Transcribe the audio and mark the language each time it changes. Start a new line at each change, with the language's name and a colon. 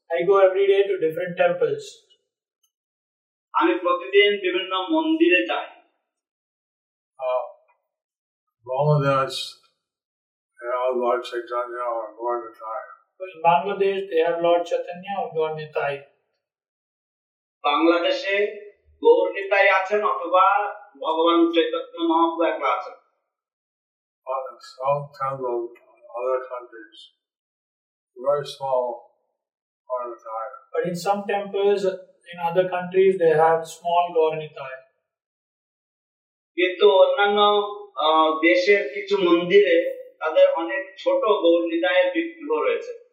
English: I go every day to different temples.
Bangla: আমি প্রতিদিন বিভিন্ন মন্দিরে যাই.
English: Bangladesh, they have Lord Chaitanya or Gaur Nitai. In Bangladesh, they have Lord Chaitanya or Gaur Nitai.
Bangla: Bangladesh, Gaur Nitai আছেন অথবা ভগবান চৈতন্য মহাপ্রভু একলা আছেন.
English: But in some temples in other countries, very small Gaur Nitai. But in some temples in other countries, they have small Gaur Nitai.
Bangla: কিন্তু অন্যান্য দেশের কিছু মন্দিরে তাদের অনেক ছোট গৌর নিতাইয়ের বিগ্রহ রয়েছে.